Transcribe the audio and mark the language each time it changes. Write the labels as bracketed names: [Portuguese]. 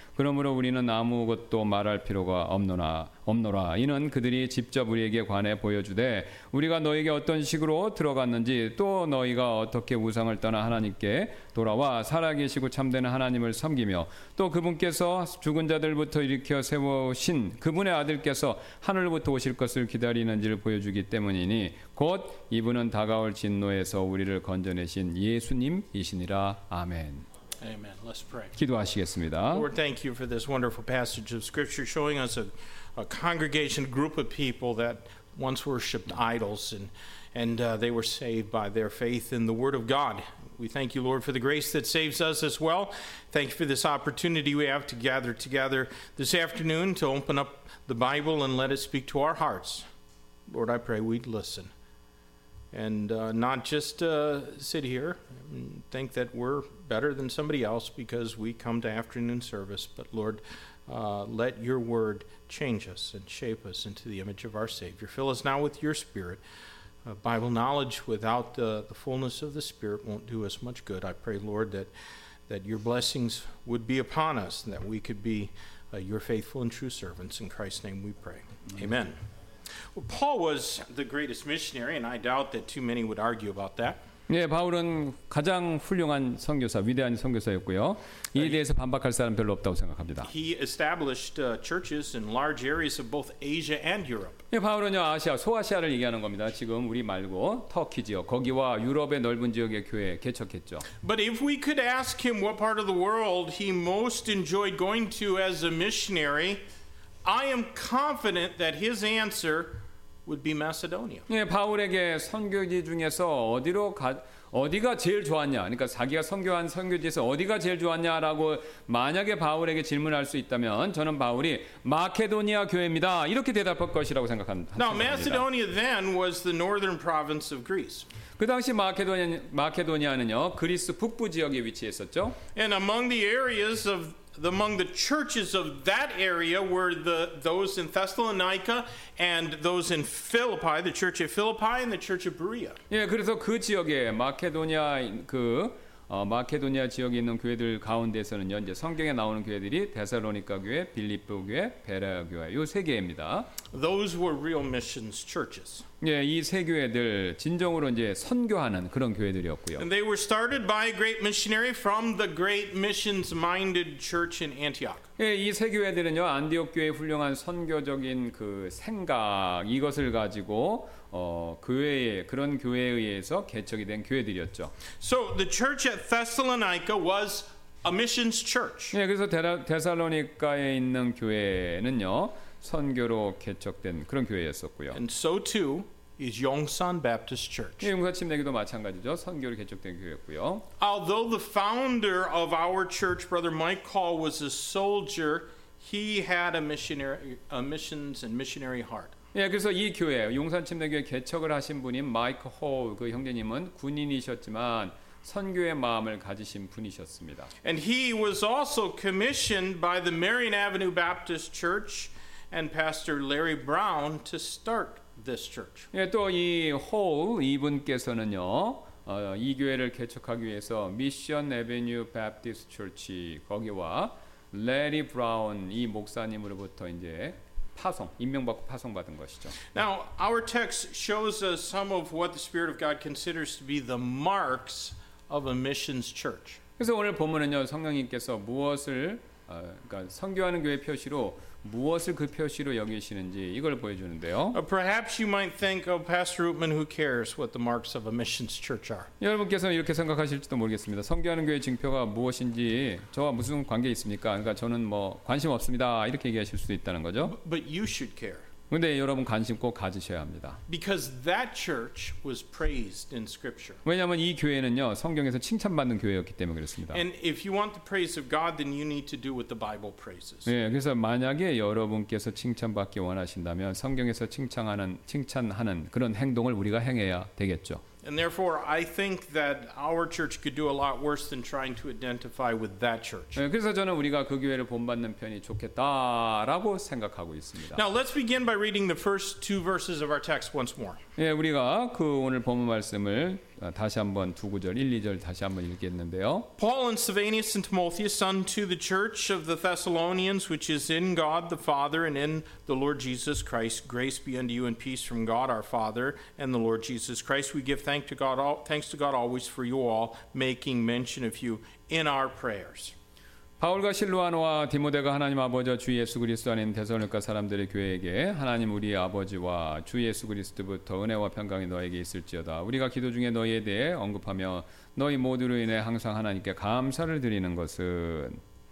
[Korean] 그러므로 우리는 아무것도 말할 필요가 없노라. 이는 그들이 직접 우리에게 관해 보여주되 우리가 너희에게 어떤 식으로 들어갔는지 또 너희가 어떻게 우상을 떠나 하나님께 돌아와 살아계시고 참된 하나님을 섬기며 또 그분께서 죽은 자들부터 일으켜 세우신 그분의 아들께서 하늘부터 오실 것을 기다리는지를 보여주기 때문이니 곧 이분은 다가올 진노에서 우리를 건져내신 예수님이시니라. 아멘. [English] Amen. Let's pray. [Korean] 기도하시겠습니다. [English] Lord, thank you for this wonderful passage of scripture showing us a congregation, group of people that once worshipped idols and they were saved by their faith in the word of God. We thank you, Lord, for the grace that saves us as well. Thank you for this opportunity we have to gather together this afternoon to open up the Bible and let it speak to our hearts. Lord, I pray we'd listen and not just sit here and think that we're better than somebody else because we come to afternoon service, but Lord, let your word change us and shape us into the image of our Savior. Fill us now with your spirit. Bible knowledge without the fullness of the Spirit won't do us much good. I pray, Lord, that your blessings would be upon us and that we could be your faithful and true servants. In Christ's name we pray. Amen. Well, Paul was the greatest missionary, and I doubt that too many would argue about that. [Korean] 네, 바울은 가장 훌륭한 선교사, 위대한 선교사였고요. 이에 대해서 반박할 사람 별로 없다고 생각합니다. [English] He established churches in large areas of both Asia and Europe. [Korean] 네, 바울은요, 아시아, 소아시아를 얘기하는 겁니다. 지금 우리 말고 터키 지역, 거기와 유럽의 넓은 지역의 교회 개척했죠. [English] But if we could ask him what part of the world he most enjoyed going to as a missionary, I am confident that his answer would be Macedonia. [Korean] 예, 바울에게 선교지 중에서 어디로 가 어디가 제일 좋았냐? 그러니까 자기가 선교한 선교지에서 어디가 제일 좋았냐라고 만약에 바울에게 질문할 수 있다면 저는 바울이 마케도니아 교회입니다. 이렇게 대답할 것이라고 생각합니다. [English] Now Macedonia then was the northern province of Greece. [Korean] 그 당시 마케도니아는요 그리스 북부 지역에 위치했었죠. [English] And among the areas of among the churches of that area were those in Thessalonica and those in Philippi, the church of Philippi and the church of Berea. [Korean] 예, 그래서 그 지역에 마케도니아 마케도니아 지역에 있는 교회들 가운데서는요 이제 성경에 나오는 교회들이 데살로니가 교회, 빌립보 교회, 베레아 교회 요 세 개입니다. [English] Those were real missions churches. [Korean] 예, 이 세 교회들 진정으로 이제 선교하는 그런 교회들이었고요. [English] And they were started by a great missionary from the great missions-minded church in Antioch. [Korean] 예, 이 세 교회들은요 안디옥 교회의 훌륭한 선교적인 그 생각 이것을 가지고 교회에 그런 교회에 의해서 개척이 된 교회들이었죠. [English] So the church at Thessalonica was a missions church. [Korean] 예, 그래서 데살로니가에 있는 교회는요. 선교로 개척된 그런 교회였었고요. [English] And so too is Yongsan Baptist Church. [Korean] 예, 용사침내기도 마찬가지죠. 선교로 개척된 교회였고요. [English] Although the founder of our church, Brother Mike Call, was a soldier, he had a missions and missionary heart. [Korean] 예, 그래서 이 교회, 용산침내교회 개척을 하신 분인 마이크 홀 그 형제님은 군인이셨지만 선교의 마음을 가지신 분이셨습니다. [English] And he was also commissioned by the Marion Avenue Baptist Church and Pastor Larry Brown to start this church. [Korean] 예, 또 이 홀 이분께서는요, 이 교회를 개척하기 위해서 미션 에베뉴 바프티스트 처치 거기와 래리 브라운 이 목사님으로부터 이제 파송, 임명받고 파송받은 것이죠. [English] Now, our text shows us some of what the Spirit of God considers to be the marks of a missions church. [Korean] 그래서 오늘 본문은요, 성령님께서 무엇을 그러니까 선교하는 교회 표시로 무엇을 그 표시로 여기시는지 이걸 보여주는데요. [English] Perhaps you might think, "Oh, Pastor Oetman, who cares what the marks of a missions church are?" [Korean] 여러분께서는 이렇게 생각하실지도 모르겠습니다. 선교하는 교회 징표가 무엇인지 저와 무슨 관계 있습니까? 그러니까 저는 뭐 관심 없습니다. 이렇게 얘기하실 수도 있다는 거죠. [English] But you should care. [Korean] 근데 여러분 관심 꼭 가지셔야 합니다. [English] Because that church was praised in Scripture. [Korean] 왜냐하면 이 교회는요 성경에서 칭찬받는 교회였기 때문에 그렇습니다. [English] And if you want the praise of God, then you need to do what the Bible praises. [Korean] 네, 그래서 만약에 여러분께서 칭찬받기 원하신다면 성경에서 칭찬하는 그런 행동을 우리가 행해야 되겠죠. [English] And therefore, I think that our church could do a lot worse than trying to identify with that church. [Korean] 네, 그래서 저는 우리가 그 교회를 본받는 편이 좋겠다라고 생각하고 있습니다. [English] Now let's begin by reading the first two verses of our text once more. [Korean] 예, 네, 우리가 그 오늘 본문 말씀을 다시 한번 두 구절, 1, 2절 다시 한번 읽겠는데요. [English] Paul and Silvanus and Timotheus unto the church of the Thessalonians, which is in God the Father and in the Lord Jesus Christ. Grace be unto you and peace from God our Father and the Lord Jesus Christ. We give thanks to God always for you all, making mention of you in our prayers. [Korean] 바울과 실루아노와 디모데가 하나님 아버지와 주 예수 그리스도 아닌 데살로니가 사람들의 교회에게 하나님 우리 아버지와 주 예수 그리스도부터 은혜와 평강이 너에게 있을지어다. 우리가 기도 중에 너희에 대해 언급하며 너희 모두로 인해 항상 하나님께 감사를 드리는 것은.